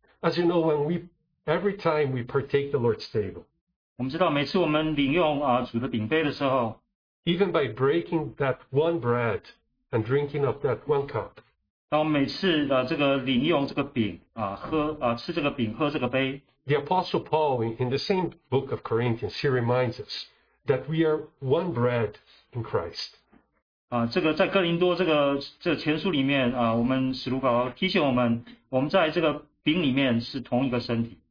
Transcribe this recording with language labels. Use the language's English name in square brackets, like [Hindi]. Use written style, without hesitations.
[English] As you know, when we every time we partake the Lord's table, [Chinese] 我们知道每次我们领用主的饼杯的时候, [English] even by breaking that one bread and drinking of that one cup, [Chinese] 当我们每次领用这个饼,吃这个饼,喝这个杯, [English] the Apostle Paul, in the same book of Corinthians, he reminds us that we are one bread in Christ. [Chinese] 这个在哥林多这个前书里面,我们使徒保罗提醒我们,我们在这个饼里面是同一个身体。